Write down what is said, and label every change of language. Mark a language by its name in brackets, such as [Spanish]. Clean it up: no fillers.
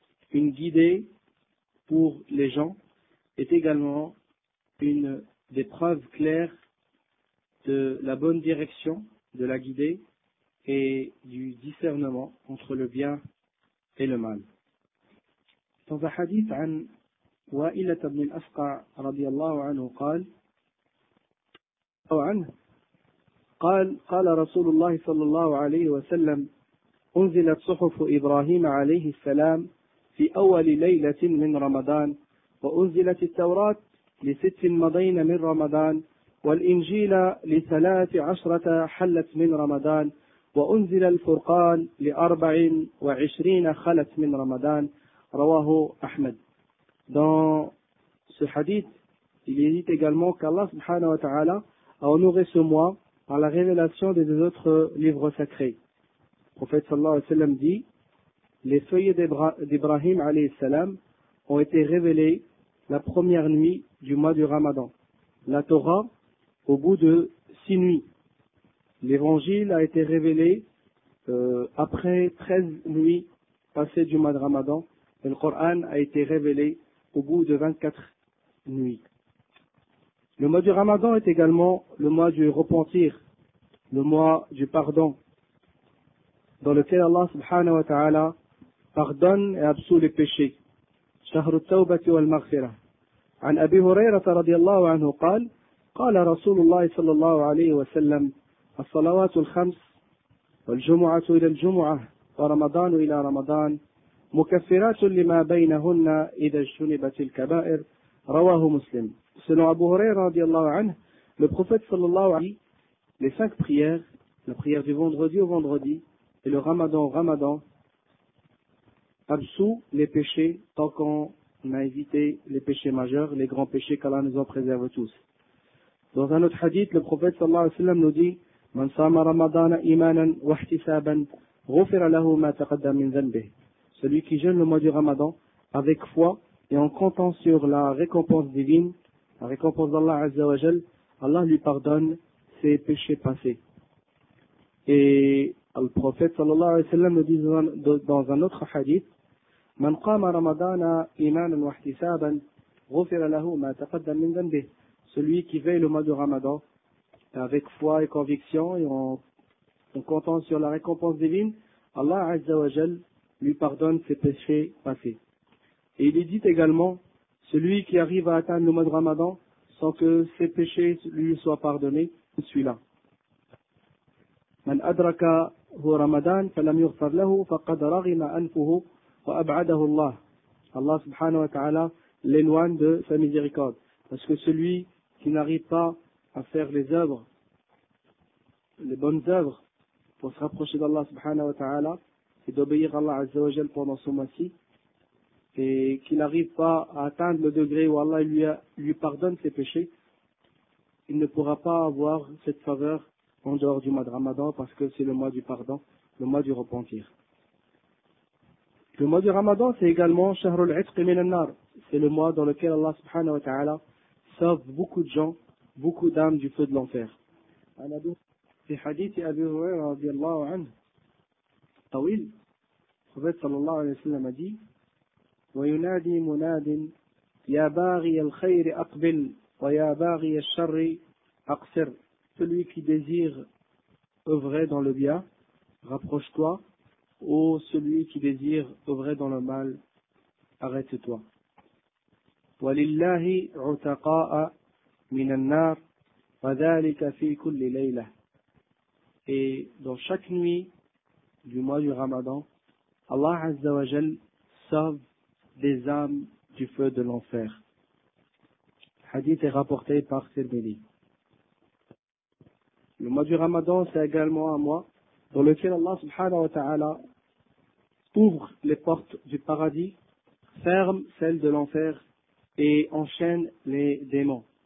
[French] Une guidée pour les gens est également une des preuves claires de la bonne direction, de la guidée et du discernement entre le bien et le mal. Dans un hadith [Arabic] an وائلة بن الأسقع رضي الله عنه قال أو عنه قال قال رسول الله صلى الله عليه وسلم أنزلت صحف إبراهيم عليه السلام في أول ليلة من رمضان، وأنزلت التوراة لست مضين من رمضان، والإنجيل لثلاث عشرة حلت من رمضان، وأنزل الفرقان لأربع وعشرين خلت من رمضان. رواه أحمد. [French] Dans ce hadith, il dit également qu'Allah subhanahu wa ta'ala a honoré ce mois par la révélation des deux autres livres sacrés. Le prophète sallallahu alayhi wa sallam dit, les feuillets d'Ibrahim alayhi salam ont été révélés la première nuit du mois du Ramadan. La Torah, au bout de six nuits. L'évangile a été révélé après 13 nuits passées du mois de Ramadan. Et le Coran a été révélé au bout de 24 nuits. Le mois du Ramadan est également le mois du repentir, le mois du pardon, dans lequel Allah subhanahu wa ta'ala pardonne et absout les péchés. [Arabic] شهر التوبة والمغفرة. عن أبي هريرة رضي الله عنه قال قال رسول الله صلى الله عليه وسلم الصلوات الخمس والجمعة إلى الجمعة ورمضان إلى رمضان مكفرات لما بينهن إذا اجتنبت الكبائر. رواه مسلم. [French] Selon Abu Huraira رضي الله عنه, le prophète صلى الله عليه وسلم, les cinq prières, la prière du vendredi au vendredi et le ramadan au ramadan, absout les péchés tant qu'on a évité les péchés majeurs, les grands péchés qu'Allah nous en préserve tous. Dans un autre hadith, le prophète صلى الله عليه وسلم nous dit [Arabic] من صام رمضان إيمانا واحتسابا غفر له ما تقدم من ذنبه. [French] Celui qui jeûne le mois du Ramadan avec foi et en comptant sur la récompense divine, la récompense d'Allah Azza wa Jal, Allah lui pardonne ses péchés passés. Et le prophète sallallahu alayhi wa sallam nous dit dans un autre hadith, [Arabic] من قام رمضان إيمانا واحتسابا غفر له ما تقدم من ذنبه. [French] Celui qui veille le mois du Ramadan avec foi et conviction et en comptant sur la récompense divine, Allah Azza wa Jal lui pardonne ses péchés passés. Et il est dit également, celui qui arrive à atteindre le mois de Ramadan sans que ses péchés lui soient pardonnés, celui-là. [Arabic] من أدرك هو رمضان فلم يغفر له فقد رغم أنفه وأبعده الله. [French] Allah subhanahu wa ta'ala l'éloigne de sa miséricorde. Parce que celui qui n'arrive pas à faire les œuvres, les bonnes œuvres, pour se rapprocher d'Allah subhanahu wa ta'ala, et d'obéir à Allah Azza wa Jal pendant ce mois-ci, et qu'il n'arrive pas à atteindre le degré où Allah lui pardonne ses péchés, il ne pourra pas avoir cette faveur en dehors du mois de Ramadan, parce que c'est le mois du pardon, le mois du repentir. Le mois du Ramadan, c'est également [Arabic] Shahrul Itq min an-nar. [French] C'est le mois dans lequel Allah subhanahu wa ta'ala sauve beaucoup de gens, beaucoup d'âmes du feu de l'enfer. [Arabic] Fi hadith Abi Hurayra radiyallahu anhu, طويل. الرسول صلى الله عليه وسلم قال وينادي مناد يا باغي الخير اقبل ويا باغي الشر اقصر. [French] Celui qui désire œuvrer dans le bien, rapproche-toi, ou celui qui désire œuvrer dans le mal, arrête-toi. [Arabic] ولله عتقاء من النار وذلك في كل ليله. [French] Et dans chaque nuit du mois du Ramadan, Allah Azza wa Jal sauve des âmes du feu de l'enfer. Hadith est rapporté par Tirmidhi. Le mois du Ramadan, c'est également un mois dans lequel Allah subhanahu wa ta'ala ouvre les portes du paradis, ferme celles de l'enfer et enchaîne les démons.